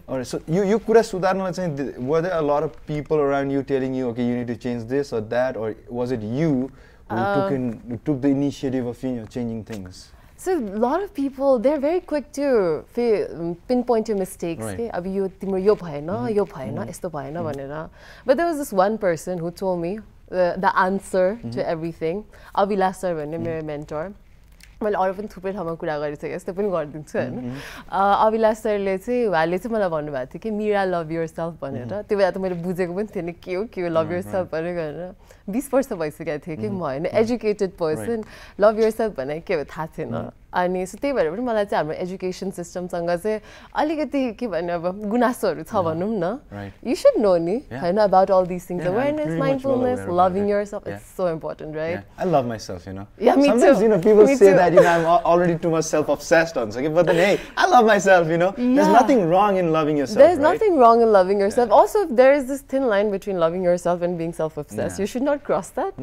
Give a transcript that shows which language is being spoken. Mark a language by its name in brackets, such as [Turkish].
[English] All right, so you [Nepali] kura sudharna lai chai [English] were there a lot of people around you telling you okay you need to change this or that or was it you who took the initiative of changing things? So a lot of people, they're very quick to pinpoint your mistakes. Right. [Nepali] Abhi yo timro yo bhayena, yo bhayena, esto bhayena bhanera. [English] But there was this one person who told me the answer to everything. [Nepali] Avila sir bhanne mero mentor. मैले अरू पनि थुप्रै ठाउँमा कुरा गरिसकेँ यस्तो पनि गरिदिन्छु होइन अभिला सरले चाहिँ उहाँले चाहिँ मलाई भन्नुभएको थियो कि मिरा [English] love yourself [Nepali] भनेर त्यो बेला त मैले बुझेको पनि थिएन के हो के हो लभ युर सेल्फ भनेर गरेर 20 वर्ष भइसकेको थिएँ कि म होइन educated person love your self भनेर के हो थाहा थिएन अनि सो त्यही भएर पनि मलाई चाहिँ हाम्रो एजुकेसन सिस्टमसँग चाहिँ अलिकति के भन्ने अब गुनासोहरू छ भनौँ न यु सुड नो नि होइन [English] about all this things awareness mindfulness loving yourself it's so important right I love myself you know yeah me sometimes you know people say that you know I am already too much self obsessed on so but then hey I love myself you know there is nothing wrong in loving yourself there is nothing wrong in loving yourself also there is this thin line between loving yourself and being self obsessed you should not cross that